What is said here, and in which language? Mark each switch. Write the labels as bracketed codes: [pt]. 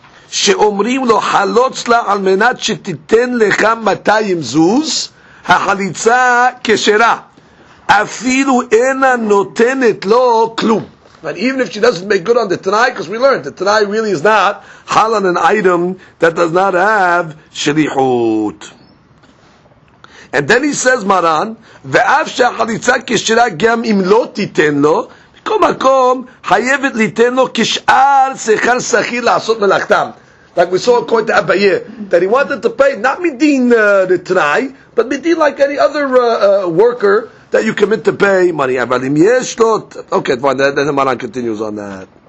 [he] שאומרים לו חלוץ לה על מנת שתיתן לך 200 זוז, החליצה כשרה. אפילו אינה נותנת לו כלום. [en] And even if she doesn't make good on the tenai, because we learned, the tenai really is not hal on an item that does not have שליחות. And then he says, [he] מרן, ואף שהחליצה כשרה גם אם לא תיתן לו, בכל מקום חייבת ליתן לו כשאר שכר שכיר לעשות מלאכתם. [en] Like we saw according to Abaye, that he wanted to pay, not midin the tenai, but midin like any other worker that you commit to pay money. Okay, fine, then the Maran continues on that.